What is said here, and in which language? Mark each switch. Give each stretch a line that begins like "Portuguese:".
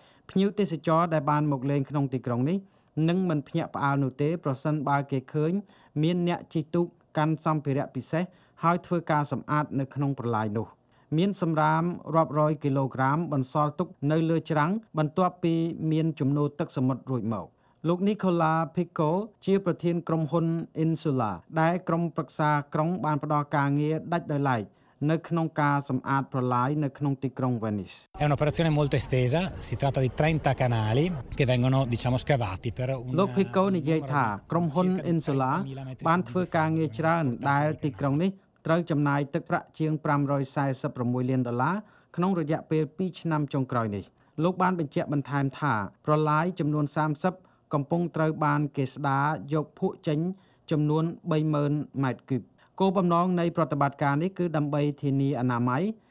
Khmer: ភ្ញៀវទេសចរដែលបានមកលេងក្នុងទីក្រុងនេះនឹងមិនភ្ញាក់ផ្អើលនោះទេប្រសិនបើគេឃើញមានអ្នកជិះទូកកាន់សម្ភារៈពិសេសហើយធ្វើការសម្អាតនៅក្នុងប្រឡាយនោះមានសំរាមរាប់រយគីឡូក្រាមបន្សល់ទុកនៅលើច្រាំងបន្ទាប់ពីមានចំនួនទឹកសមុទ្ររួចមកលោកនីកូឡាភីកូជាប្រធានក្រុមហ៊ុន Insula ដែលក្រុមប្រឹក្សាក្រុងបានផ្ដល់ការងារដាច់ដោយឡែកនៅក្នុងការសម្អាតប្រឡាយនៅក្នុងទីក្រុង Venice
Italian: È un'operazione molto estesa, si tratta di 30 canali che vengono diciamo scavati per
Khmer: លោកភីកូនិយាយថាក្រុមហ៊ុន Insula បានធ្វើការងារច្រើនដែលទីក្រុងនេះត្រូវចំណាយទឹកប្រាក់ជាង546លានដុល្លារក្នុងរយៈពេល2ឆ្នាំចុងក្រោយនេះលោកបានបញ្ជាក់បន្ថែមថាប្រឡាយចំនួន30កំពុងត្រូវបានគេស្ដារយកភក់ចេញចំនួន30000ម៉ែត្រគូបគោលបំណងនៃប្រតិបត្តិការនេះគឺដើម្បីធានាអនាម័យ